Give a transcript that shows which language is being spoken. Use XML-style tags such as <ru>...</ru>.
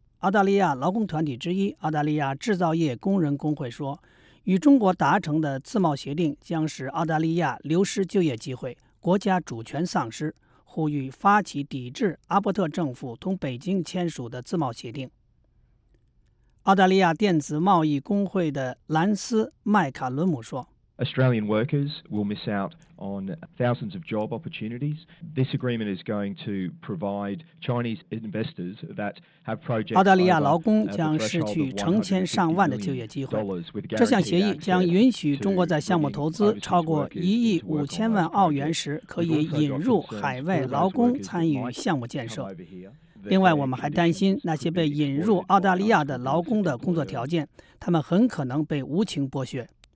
<zh>澳大利亚劳工团体之一澳大利亚制造业工人工会说，与中国达成的自贸协定将使澳大利亚流失就业机会，国家主权丧失，呼吁发起抵制阿伯特政府同北京签署的自贸协定。澳大利亚电子贸易工会的兰斯·麦卡伦姆说，</zh> <en>Australian workers will miss out on thousands of job opportunities. This agreement is going to provide Chinese investors that have projects.</en> <zh>澳大利亚劳工将失去成千上万的就业机会。这项协议将允许中国在项目投资超过1亿5千万澳元时，可以引入海外劳工参与项目建设。另外，我们还担心那些被引入澳大利亚的劳工的工作条件，他们很可能被无情剥削。</zh>